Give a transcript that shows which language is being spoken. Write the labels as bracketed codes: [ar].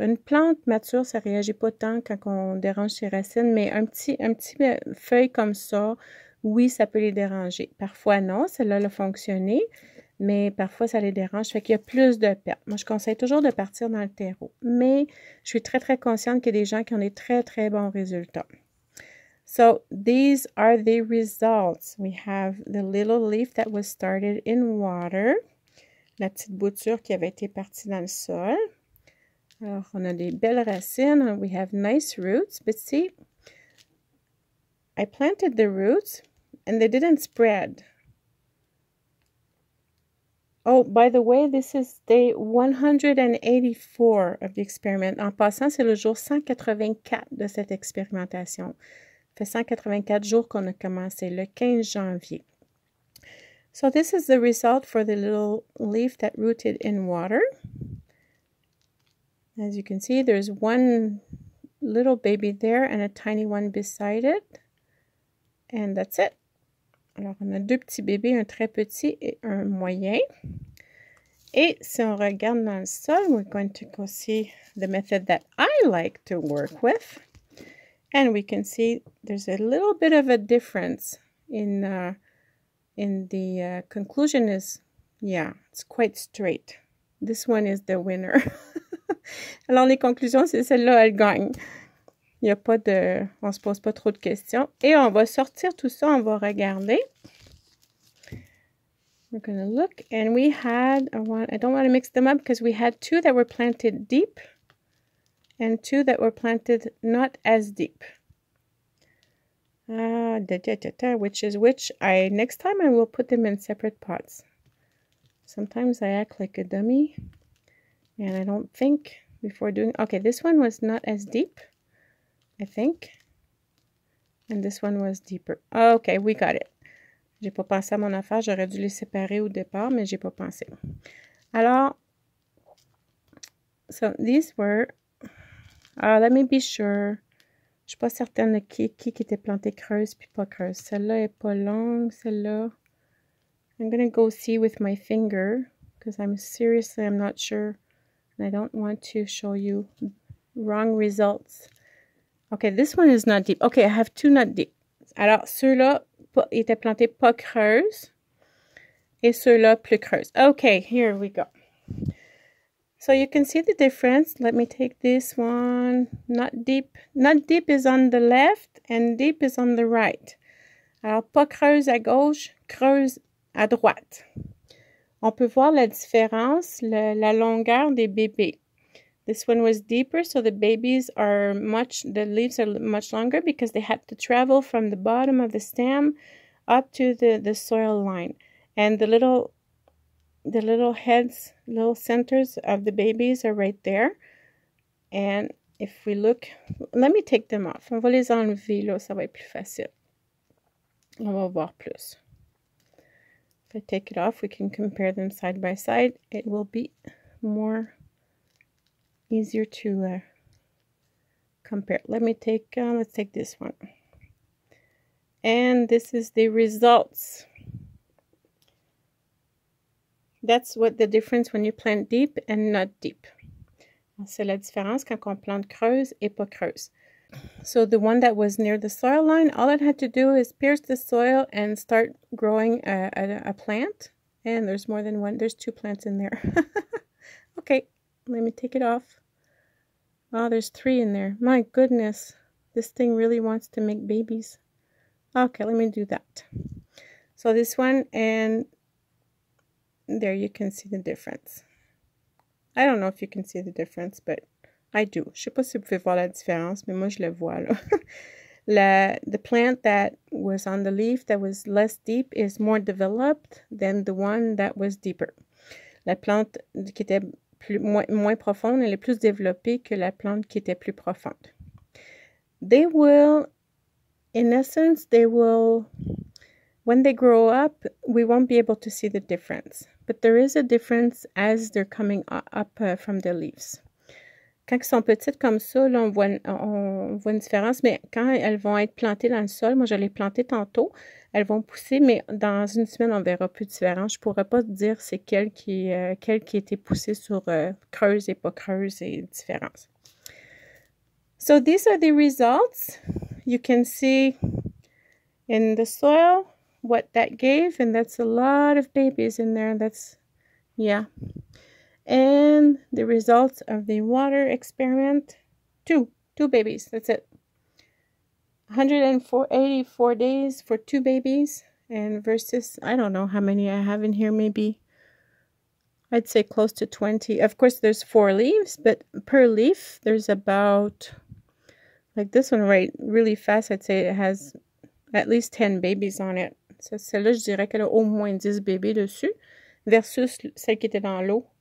[fr] Une plante mature, ça ne réagit pas tant quand on dérange ses racines, mais un petit feuille comme ça, oui, ça peut les déranger. Parfois, non, celle-là a fonctionné, mais parfois, ça les dérange, fait qu'il y a plus de pertes. Moi, je conseille toujours de partir dans le terreau, mais je suis très, très consciente qu'il y a des gens qui ont des très, très bons résultats. [en] So, these are the results. We have the little leaf that was started in water. [fr] La petite bouture qui avait été partie dans le sol. Alors, on a des belles racines. [en] We have nice roots. But see, I planted the roots and they didn't spread. Oh, by the way, this is day 184 of the experiment. [fr] En passant, c'est le jour 184 de cette expérimentation. Ça fait 184 jours qu'on a commencé, le 15 janvier. [en] So this is the result for the little leaf that rooted in water. As you can see, there's one little baby there and a tiny one beside it. And that's it. [fr] Alors, on a deux petits bébés, un très petit et un moyen. Et si on regarde dans le sol, [en] we're going to go see the method that I like to work with. And we can see there's a little bit of a difference in the conclusion is, yeah, it's quite straight. This one is the winner. [fr] Alors, les conclusions, c'est celle-là, elle gagne. Il n'y a pas de... On ne se pose pas trop de questions. Et on va sortir tout ça, on va regarder. [en] We're going to look, and we had... I don't want to mix them up, because we had two that were planted deep, and two that were planted not as deep. Which is which. Next time I will put them in separate pots. Sometimes I act like a dummy and I don't think before doing. Okay, this one was not as deep, I think. And this one was deeper. Okay, we got it. [fr] J'ai pas pensé à mon affaire. J'aurais dû les séparer au départ, mais j'ai pas pensé. Alors, [en] so these were. Let me be sure. [fr] Je suis pas certaine de qui était planté creuse puis pas creuse. Celle-là est pas longue, celle-là. [en] I'm gonna go see with my finger because I'm not sure. And I don't want to show you wrong results. Okay, this one is not deep. Okay, I have two not deep. [fr] Alors, ceux-là étaient plantés pas creuses et ceux-là plus creuses. [en] Okay, here we go. So you can see the difference. Let me take this one. Not deep. Not deep is on the left and deep is on the right. [fr] Alors, pas creuse à gauche, creuse à droite. On peut voir la différence, la longueur des bébés. [en] This one was deeper, so the babies are much, the leaves are much longer because they had to travel from the bottom of the stem up to the soil line. And the little heads, little centers of the babies are right there. And if we look, let me take them off. [fr] On va les enlever, là, ça va être plus facile. On va voir plus. [en] If I take it off, we can compare them side by side. It will be more easier to compare. Let's take this one. And this is the results. That's what the difference when you plant deep and not deep. [fr] C'est la différence quand on plante creuse et pas creuse. [en] So the one that was near the soil line, all it had to do is pierce the soil and start growing a plant. And there's more than one. There's two plants in there. Okay, let me take it off. Oh, there's three in there. My goodness, this thing really wants to make babies. Okay, let me do that. So this one and there you can see the difference. I don't know if you can see the difference, but I do. [fr] Je sais pas si vous pouvez voir la différence, mais moi je le vois là. [en] The plant that was on the leaf that was less deep is more developed than the one that was deeper. [fr] La plante qui était moins profonde, elle est plus développée que la plante qui était plus profonde. [en] They will, in essence, they will, when they grow up, we won't be able to see the difference. But there is a difference as they're coming up from the leaves. [fr] Quand elles sont petites comme ça, là, on voit une différence. Mais quand elles vont être plantées dans le sol, moi je l'ai plantée tantôt, elles vont pousser, mais dans une semaine, on ne verra plus de différence. Je ne pourrais pas te dire c'est quelle qui a été poussée sur creuse et pas creuse et différence. [en] So these are the results. You can see in the soil what that gave, and that's a lot of babies in there. That's, yeah. And the results of the water experiment, two babies, that's it. 184 days for two babies and versus, I don't know how many I have in here, maybe I'd say close to 20. Of course, there's four leaves, but per leaf, there's about, like this one right really fast, I'd say it has at least 10 babies on it. [fr] So, celle-là, je dirais qu'elle a au moins 10 bébés dessus versus celle qui était dans l'eau.